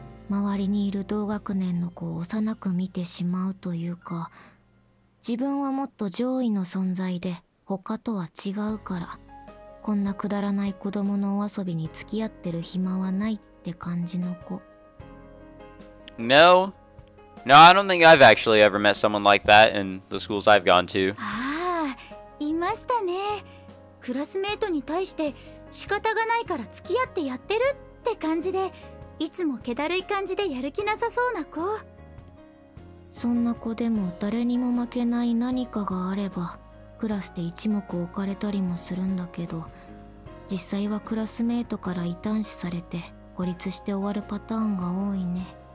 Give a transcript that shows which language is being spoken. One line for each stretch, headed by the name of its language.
Japanese: 周りにいる同学年の子を幼く見てしまうというか、自分はもっと上位の存在で他とは違うから、こんなくだらない子供のお遊びに付き合ってる暇はないって感じの子。
English: No, I don't think I've actually ever met someone like that in the schools I've gone to.
Japanese: ああ、いましたね。クラスメートに対して仕方がないから付き合ってやってるって感じで、いつも気だるい感じでやる気なさそうな子。そんな子でも誰にも負けない何かがあればクラスで一目置かれたりもするんだけど、実際はクラスメートから異端視されて孤立して終わるパターンが多いね。